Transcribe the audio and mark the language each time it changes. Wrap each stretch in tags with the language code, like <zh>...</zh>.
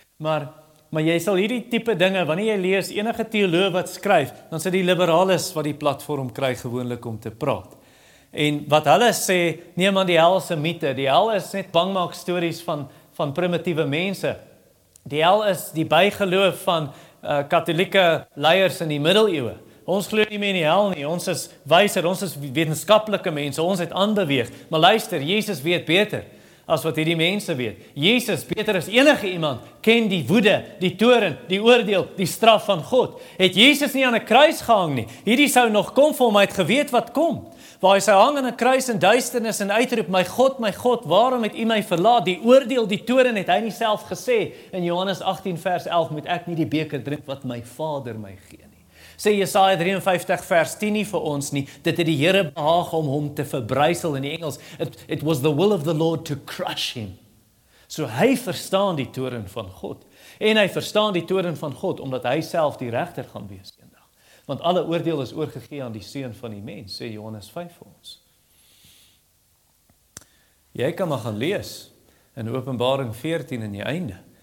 <af>Maar jy sal hierdie type dinge, wanneer jy lees enige teoloog wat skryf, dan sê die liberales wat die platform kry gewoonlik om te praat. En wat hulle sê, neem aan die hel se mythe. Die hel is net bangmaak stories van primitieve mense. Die hel is die bygeloof van katholieke leiers in die middeleeuwe. Ons glo nie meer in die hel nie. Ons is wyser, ons is wetenskaplike mense, ons het aanbeweeg. Maar luister, Jesus weet beter. As wat hierdie mense weet. Jesus, beter as enige iemand, ken die woede, die toren, die oordeel, die straf van God. Het Jesus nie aan 'n kruis gehang nie. Hierdie sou nog kom vir hom, hy het geweet wat kom. Waar hy sou hang aan 'n kruis in duisternis en uitroep, my God, waarom het u my verlaat? Die oordeel, die toren, het hy nie self gesê. In Johannes 18 vers 11, moet ek nie die beker drink wat my vader my gee. Sê Jesaja 53 vers 10 nie vir ons nie, dit het die Here behaag om hom te verbrysel in die Engels.</af> <en>It was the will of the Lord to crush him.</en> <af>So hy verstaan die toren van God. En hy verstaan die toren van God, omdat hy self die regter gaan wees eendag. Want alle oordeel is oorgegee aan die seun van die mens, sê Johannes 5 vir ons. Jy kan maar gaan lees in Openbaring 14 in die einde.</af>